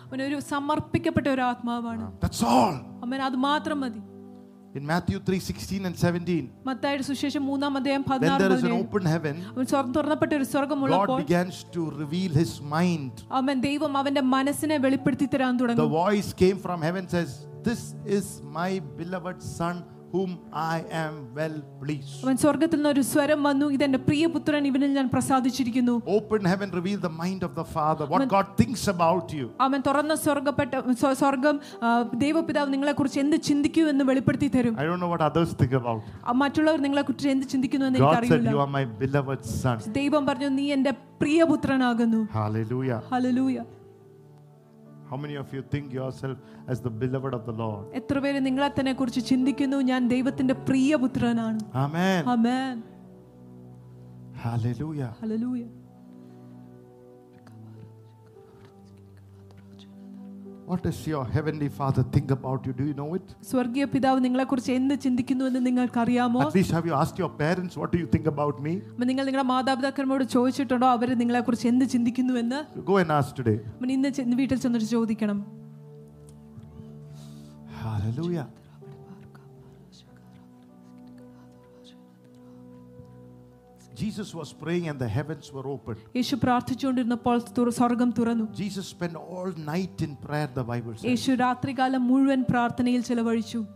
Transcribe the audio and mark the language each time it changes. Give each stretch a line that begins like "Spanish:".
Malayalam: അവൻ ഒരു സമർപ്പിക്കപ്പെട്ട ഒരു ആത്മാവാണ്.
English: That's all.
Malayalam: അവൻ അത് മാത്രം മതി.
English: In Matthew 3:16 and 17
Malayalam: മത്തായിയുടെ സുവിശേഷം 3rd അധ്യായം 16-ാം വചനം.
English: There is an open heaven.
Malayalam: അവൻ തുറന്നപ്പെട്ട ഒരു സ്വർഗ്ഗമുള്ളപ്പോൾ
English: God began to reveal his mind.
Malayalam: അവൻ ദൈവം അവന്റെ മനസ്സിനെ വെളിപ്പെടുത്തി തരാൻ തുടങ്ങി.
English: The voice came from heaven says, this is my beloved son whom I am well pleased.
Malayalam: അവൻ സ്വർഗ്ഗത്തിൽ നിന്ന് ഒരു സ്വരം വന്നു, ഇതെന്റെ പ്രിയപുത്രൻ, ഇവനിൽ ഞാൻ പ്രസാദിച്ചിരിക്കുന്നു.
English: Open heaven reveal the mind of the father, what God thinks about you.
Malayalam: അവൻ തുറന്ന സ്വർഗ്ഗപ്പെട്ട സ്വർഗ്ഗം ദൈവപിതാവ് നിങ്ങളെക്കുറിച്ച് എന്ത് ചിന്തിക്കുന്നു എന്ന് വെളിപ്പെടുത്തി തരും.
English: I don't know what others think about.
Malayalam: മറ്റുള്ളവർ നിങ്ങളെക്കുറിച്ച് എന്ത് ചിന്തിക്കുന്നു എന്ന് എനിക്കറിയില്ല.
English: God said you are my beloved son.
Malayalam: ദൈവം പറഞ്ഞു നീ എൻ്റെ പ്രിയപുത്രനാകുന്നു.
English: Hallelujah. Hallelujah. How many of you think yourself as the beloved of the Lord?
Malayalam: എത്ര പേര് നിങ്ങളെ തന്നെ കുറിച്ച് ചിന്തിക്കുന്നു ഞാൻ ദൈവത്തിന്റെ പ്രിയപുത്രനാണ്.
English: Amen. Amen. Hallelujah. Hallelujah. What does your heavenly father think about you? Do you know it?
Malayalam: സ്വർഗീയ പിതാവ് നിങ്ങളെ കുറിച്ച് എന്ത് ചിന്തിക്കുന്നു എന്ന് നിങ്ങൾക്കറിയാമോ?
English: At least have you asked your parents what do you think about me?
Malayalam: നിങ്ങൾ നിങ്ങളുടെ മാതാപിതാക്കന്മാരോട് ചോദിച്ചിട്ടുണ്ടോ അവർ നിങ്ങളെ കുറിച്ച് എന്ത് ചിന്തിക്കുന്നു എന്ന്?
English: Go and ask today.
Malayalam: നിങ്ങൾ ഇന്ന് വീട്ടിൽ ചെന്നിട്ട് ചോദിക്കണം.
English: Hallelujah. Jesus was praying and the heavens were opened.
Malayalam: യേശു പ്രാർത്ഥിച്ചുകൊണ്ടിരുന്നപ്പോൾ സ്വർഗ്ഗം തുറന്നു.
English: Jesus spent all night in prayer, the Bible says.
Malayalam: യേശു രാത്രി കാലം മുഴുവൻ പ്രാർത്ഥനയിൽ ചിലവഴിച്ചു.